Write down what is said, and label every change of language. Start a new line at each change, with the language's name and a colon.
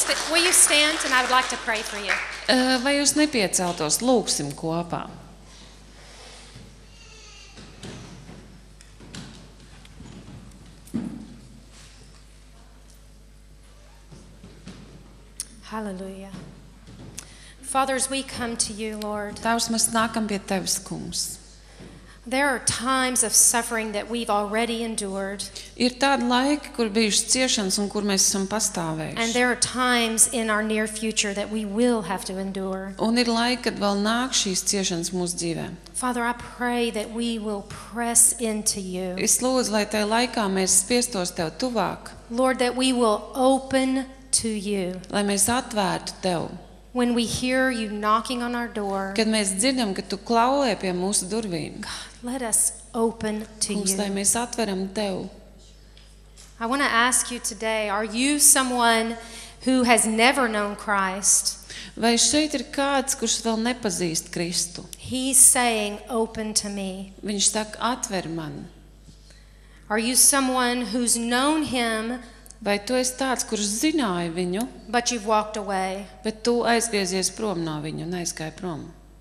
English: Will you stand and I would like to pray for you.
Latvian: Vai jūs nepieceltos, lūksim kopā.
English: Hallelujah. Fathers, we come to you, Lord.
Latvian: Tavs, mēs nākam pie tevis, Kungs.
English: There are times of suffering that we've already endured.
Latvian: Ir tādi laiki, kur bijušas ciešanas un kur mēs esam pastāvējuši.
English: And there are times in our near future that we will have to endure.
Latvian: Un ir laiki, kad vēl nāk šīs ciešanas mūsu dzīvē.
English: Father, I pray that we will press into you.
Latvian: Es lūdzu, lai tajā laikā mēs spiestos tev tuvāk.
English: Lord, that we will open to you.
Latvian: Lai mēs atvērtu tev.
English: When we hear you knocking on our door.
Latvian: Kad mēs dzirdam, ka tu klauvē pie mūsu durvīm.
English: Let us open to you.
Latvian: Kungs, lai mēs atveram tev.
English: I want to ask you today, are you someone who has never known Christ?
Latvian: Vai šeit ir kāds, kurš vēl nepazīst Kristu?
English: He's saying open to me.
Latvian: Viņš saka atver man.
English: Are you someone who's known him?
Latvian: Vai tu esi tāds, kurš zināja viņu,
English: but you've walked away.
Latvian: Bet tu aizgriezies prom no viņa un aizgāji prom.